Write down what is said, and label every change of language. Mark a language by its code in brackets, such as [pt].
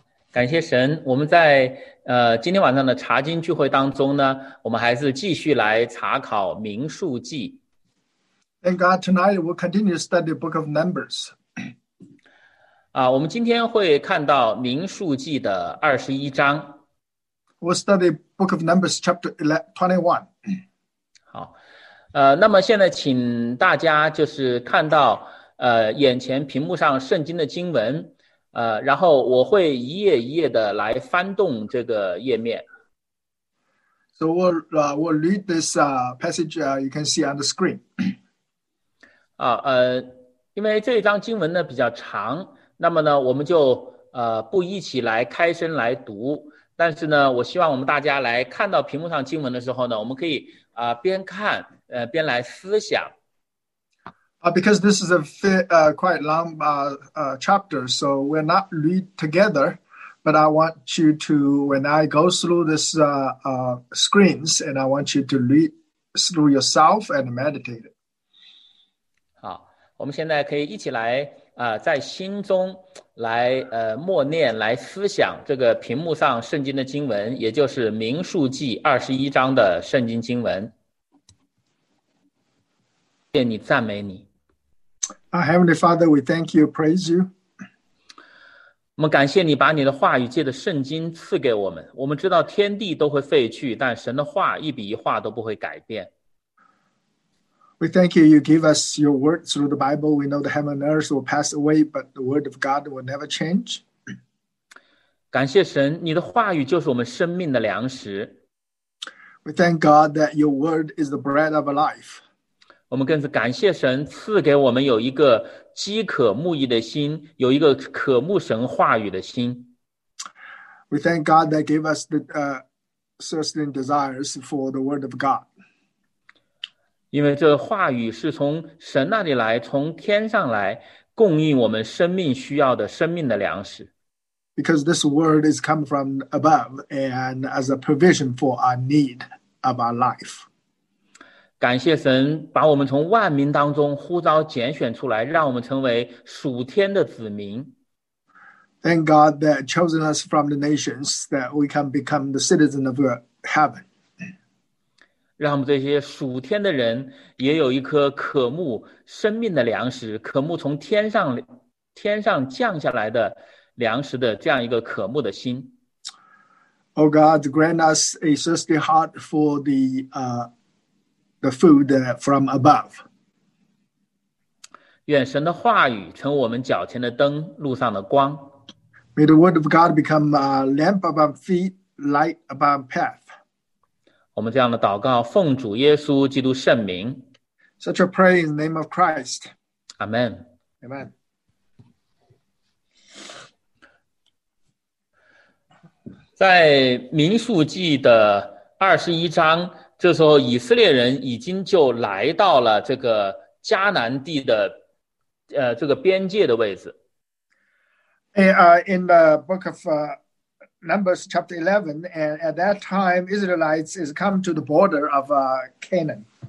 [zh] 感谢神，我们在今天晚上的查经聚会当中呢，我们还是继续来查考《民数记》。 [en] And God, tonight we'll continue to study the book of Numbers. [zh] 啊，我们今天会看到《民数记》的二十一章。 [en] We'll study book of Numbers chapter 21. [zh] 好，那么现在请大家就是看到眼前屏幕上圣经的经文。然后我会一页一页的来翻动这个页面。 [en] So we'll read this passage, you can see on the screen. [zh] 因为这一章经文呢比较长，那么呢我们就不一起来开声来读，但是呢我希望我们大家来看到屏幕上经文的时候呢，我们可以边看边来思想。 [en] Because this is a quite long chapter, so we'll not read together, but I want you to, when I go through this screens, and I want you to read through yourself and meditate. [zh] 好，我们现在可以一起来在心中来默念，来思想这个屏幕上圣经的经文，也就是《民数记》二十一章的圣经经文。愿你赞美你。 [en] Our Heavenly Father, we thank you, praise you. [zh] 我们感谢你把你的话语借着圣经赐给我们。我们知道天地都会废去，但神的话一笔一画都不会改变。 [en] We thank you, you give us your word through the Bible. We know the heaven and earth will pass away, but the word of God will never change. [zh] 感谢神，你的话语就是我们生命的粮食。 [en] We thank God that your word is the bread of life. [zh] 我们更是感谢神赐给我们有一个饥渴慕义的心，有一个渴慕神话语的心。 [en] We thank God that gave us the thirsting desires for the word of God. [zh] 因为这话语是从神那里来，从天上来供应我们生命需要的生命的粮食。 [en] Because this word is come from above and as a provision for our need of our life. [zh] 感谢神把我们从万民当中呼召拣选出来，让我们成为属天的子民。 [en] Thank God that chosen us from the nations that we can become the citizen of heaven. [zh] 让我们这些属天的人也有一颗渴慕生命的粮食，渴慕从天上降下来的粮食的这样一个渴慕的心。 [en] Oh God, grant us a thirsty heart for the food from above. [zh] 愿神的话语成我们脚前的灯，路上的光。 [en] May the word of God become a lamp of our feet, light of our path. [zh] 我们这样的祷告，奉主耶稣基督圣名。 [en] Such a prayer in the name of Christ. Amen. Amen. [zh] 在民数记的二十一章，这时候以色列人已经就来到了这个迦南地的这个边界的位置。 [en] In the book of Numbers chapter 11, and at that time Israelites is come to the border of Canaan.